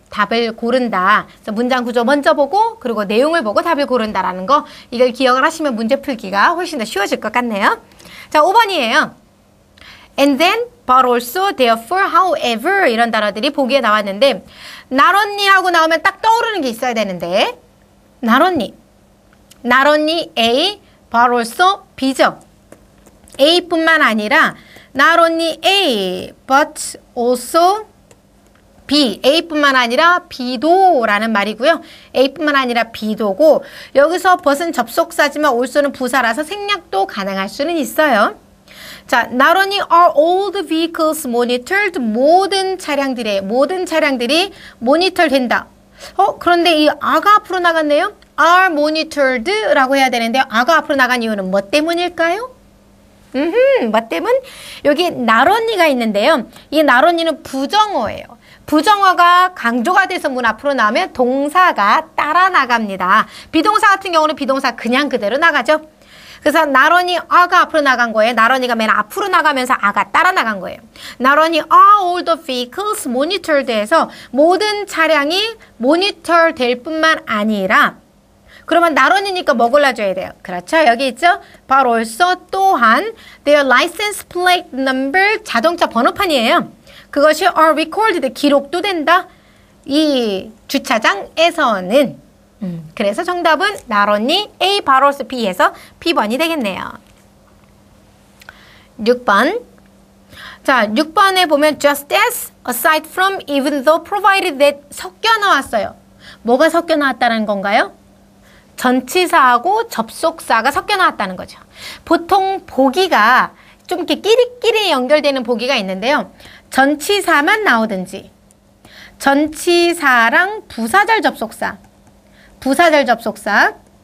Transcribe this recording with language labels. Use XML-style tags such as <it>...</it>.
<ko>답을 고른다. 그래서 문장 구조 먼저 보고 그리고 내용을 보고 답을 고른다라는 거 이걸 기억을 하시면 문제 풀기가 훨씬 더 쉬워질 것 같네요. 자, 5번이에요.</ko> <en>And then, but also, therefore, however</en> <ko>이런 단어들이 보기에 나왔는데</ko> <en>not only</en> <ko>하고 나오면 딱 떠오르는 게 있어야 되는데 not only.</ko> <en>Not only A, but also B죠.</en> <ko>A뿐만 아니라</ko> <en>not only A, but also B.</en> <ko>A뿐만 아니라 B도 라는 말이고요. A뿐만 아니라 B도고 여기서 but은 접속사지만 also는 부사라서 생략도 가능할 수는 있어요.</ko> <en>자, not only are all the vehicles monitored,</en> <ko>모든 차량들이 모니터 된다. 그런데 이 아가 앞으로 나갔네요. are monitored 라고 해야 되는데 아가 앞으로 나간 이유는 뭐 때문일까요? 뭐 때문? 여기 not only가 있는데요. 이 not only는 부정어예요. 부정어가 강조가 돼서 문 앞으로 나오면 동사가 따라 나갑니다. 비동사 같은 경우는 비동사 그냥 그대로 나가죠. 그래서</ko> <en>not only are</en> <ko>가 앞으로 나간 거예요. not only가 맨 앞으로 나가면서 are가 따라 나간 거예요.</ko> <en>not only are all the vehicles monitored</en> <ko>해서 모든 차량이 모니터 될 뿐만 아니라 그러면 not only니까 뭐 골라줘야 돼요? 그렇죠. 여기 있죠.</ko> <en>but also</en> <ko>또한</ko> <en>their license plate number</en> <ko>자동차 번호판이에요. 그것이</ko> <en>are recorded</en> <ko>기록도 된다. 이 주차장에서는 그래서 정답은</ko> <en>not only A, but also B</en> <ko>에서 B번이 되겠네요. 6번 자, 6번에 보면</ko> <en>just as, aside from, even though, provided that</en> <ko>섞여 나왔어요. 뭐가 섞여 나왔다는 건가요? 전치사하고 접속사가 섞여 나왔다는 거죠. 보통 보기가 좀 이렇게 끼리끼리 연결되는 보기가 있는데요. 전치사만 나오든지 전치사랑 부사절 접속사 부사절 접속사.</ko>